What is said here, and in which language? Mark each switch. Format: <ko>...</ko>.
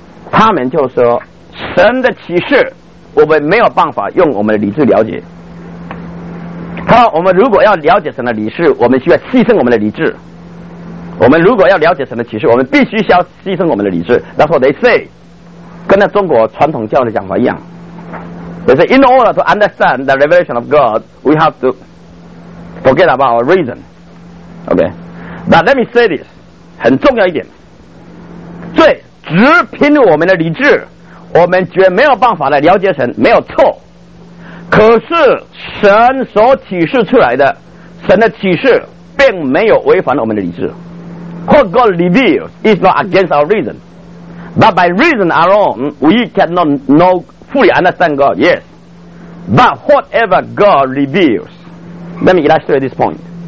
<zh>他们就说神的启示我们没有办法用我们的理智了解。他说我们如果要了解神的理智，我们需要牺牲我们的理智。我们如果要了解神的启示，我们必须要牺牲我们的理智。</zh> <en>That's what they say，</en> <zh>跟那中国传统教的讲法一样。</zh> <en>They say in order to understand the revelation of God， we have to forget about our reason。</en> <zh>OK，</zh> <en>but let me say this，</en> <zh>很重要一点，最只凭我们的理智，我们绝没有办法来了解神，没有错。可是神所启示出来的，神的启示并没有违反我们的理智。</zh> <en>What God reveals is not against our reason, but by reason alone we cannot know fully understand God. Yes, but whatever God reveals, let me illustrate this point.</en>